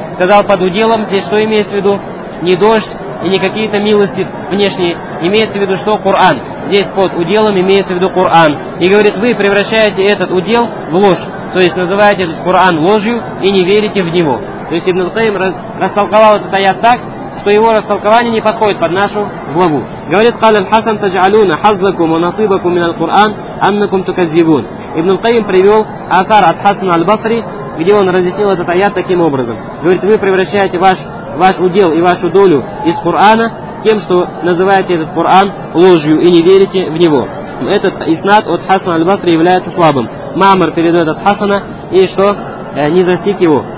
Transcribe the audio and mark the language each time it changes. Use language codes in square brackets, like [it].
[ru] Сказал, под уделом здесь что имеется в виду? Не дождь и не какие-то милости внешние. Имеется в виду что? Куран. Здесь под уделом имеется в виду Куран. И говорит, вы превращаете этот удел в ложь. То есть называете этот Куран ложью и не верите в него. То есть Ибн Каим растолковал этот аят так, что его растолкование не подходит под нашу главу. Говорит, [ar] قال الحسن تجعلون حظكم ونصيبكم من القرآن أنكم تكذبون. [ru] Ибн Каим привел асар от Хасана аль-Басри, где он разъяснил этот аят таким образом. Говорит, вы превращаете ваш удел и вашу долю из Курана тем, что называете этот Куран ложью и не верите в него. Этот иснад от Хасана аль-Басри является слабым. Маамар передает от Хасана, и что? Не застиг его.